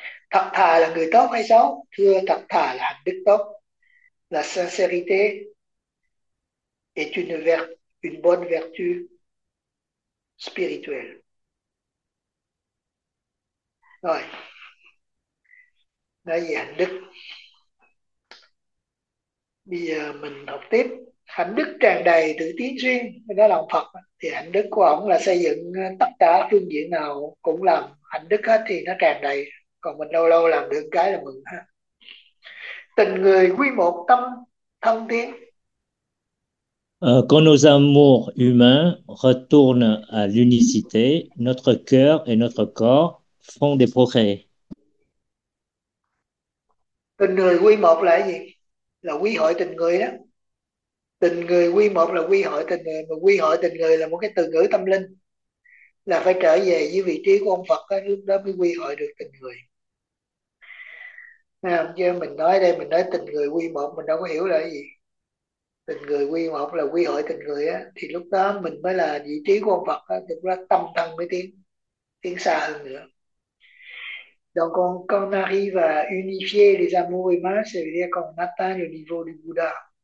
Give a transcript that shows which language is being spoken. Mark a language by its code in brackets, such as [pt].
[vi] Thật thà là người tốt hay xấu? Thưa, thật thà là hạnh đức tốt. [fr] La sincérité est une bonne vertu spirituelle. [vi] Rồi. Nói về hạnh đức. Bây giờ mình học tiếp. Hạnh đức tràn đầy tự tiến duyên, đó là ông Phật. Thì hạnh đức của ông là xây dựng tất cả phương diện nào cũng làm hạnh đức hết thì nó tràn đầy. Còn mình lâu lâu làm được cái là mừng ha. Tình người quy một tâm thông thiên. [fr] Quand nos amours humains retournent à l'unicité, notre cœur et notre corps font des progrès. [vi] Tình người quy một là gì? Là quy hội tình người đó. Tình người quy một là quy hội tình người, mà quy hội tình người là một cái từ ngữ tâm linh, là phải trở về với vị trí của ông Phật đó, lúc đó mới quy hội được tình người. Nào, chứ mình nói đây, mình nói tình người quy một mình đâu có hiểu là cái gì. tình người quy một là quy hội tình người á, thì lúc đó mình mới là vị trí của Phật á, thì là tâm thân mới tiến tiến xa hơn nữa. [fr] Donc quand on arrive à unifier les amours humains, c'est-à-dire qu'on atteint le niveau du Bouddha.